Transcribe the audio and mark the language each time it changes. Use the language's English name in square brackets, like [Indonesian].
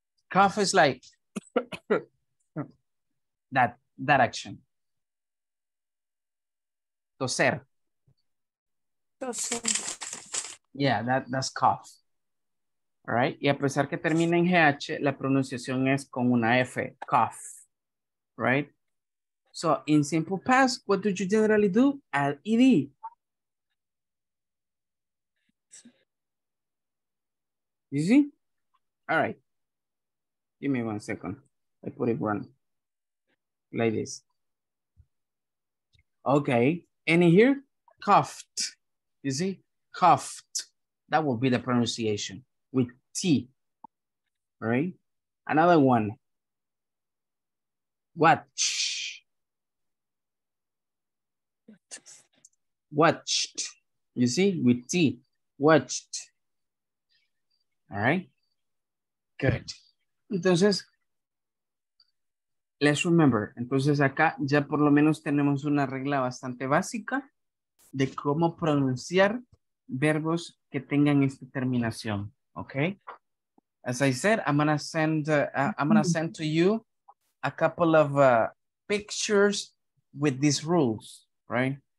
[English] Cough is like that action. [Spanish] Toser. Toser. [English] Yeah, that's cough. All right. [Spanish] Y a pesar que termina en GH, la pronunciación es con una F. [English] Cough. Right? So in simple past, what do you generally do? Add ED. You see? All right. Give me 1 second. I put it one like this. Okay. Any here? Coughed. You see? Coughed. That will be the pronunciation with T. All right. Another one. Watch. Watched. You see? With T. Watched. All right. Good. [Spanish] Entonces, [English] let's remember. [Spanish] Entonces, acá ya por lo menos tenemos una regla bastante básica de cómo pronunciar verbos que tengan esta terminación. [English] Okay? As I said, I'm gonna send to you a couple of pictures with these rules, right?